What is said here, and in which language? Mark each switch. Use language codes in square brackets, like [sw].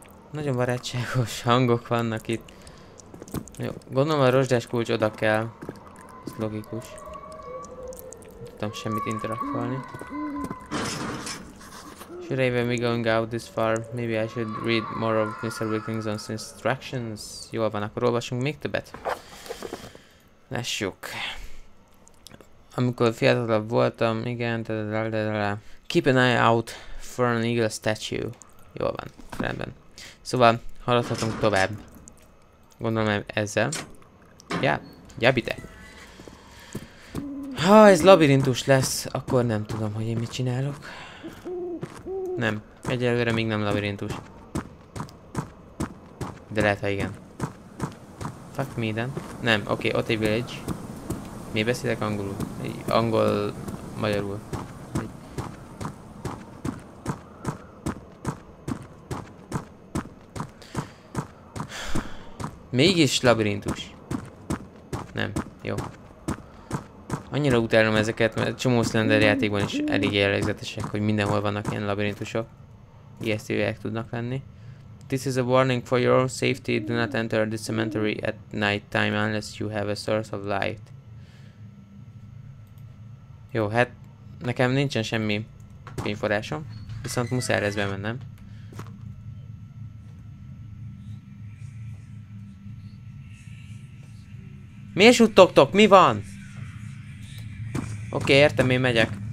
[hu] Nagyon barátságos hangok vannak itt. Jó, gondolom a rozsdás kulcs oda kell. Ez logikus. Nem tudtam semmit interakválni. [en] Should I even be going out this far? Maybe I should read more of Mr. Wilkinson's instructions. [hu] Jól van, akkor olvasunk még többet. Lássuk. Amikor fiatalabb voltam, igen, [en] keep an eye out for an eagle statue. [hu] Jól van, rendben. Szóval, haladhatunk tovább. Gondolom ezzel. Ja, gyabite. Ha ez labirintus lesz, akkor nem tudom, hogy én mit csinálok. Nem, egyelőre még nem labirintus. De lehet, ha igen. [en] Fuck me then. [hu] Nem, oké, ott egy village. Mi beszélek angolul? Angol... magyarul. Mégis labirintus. Nem. Jó. Annyira utálom ezeket, mert csomó Slender játékban is elég jellegzetesek, hogy mindenhol vannak ilyen labirintusok. Ijesztőek tudnak lenni. [en] This is a warning for your own safety. Do not enter the cemetery at night time unless you have a source of light. [hu] Jó, hát nekem nincsen semmi fényforrásom, viszont muszáj ez bemennem. Miért suttogtok? Mi van? Oké, értem, én megyek.